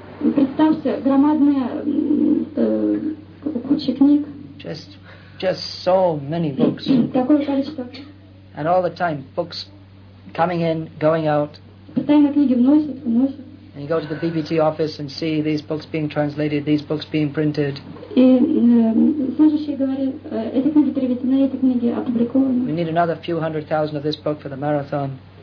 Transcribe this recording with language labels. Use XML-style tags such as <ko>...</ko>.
<ru>Представьте громадные кучи книг.</ru> <en>Just so many books.</en> <ru>Такое количество.</ru> <en>And all the time books coming in, going out.</en> <ru>Постоянно книги вносят.</ru> <en>And you go to the BBT office and see these books being translated, these books being printed.</en> <ru>И служащие говорят, эти книги переведены, эти книги опубликованы.</ru> <en>We need another few hundred thousand of this book for the marathon.</en>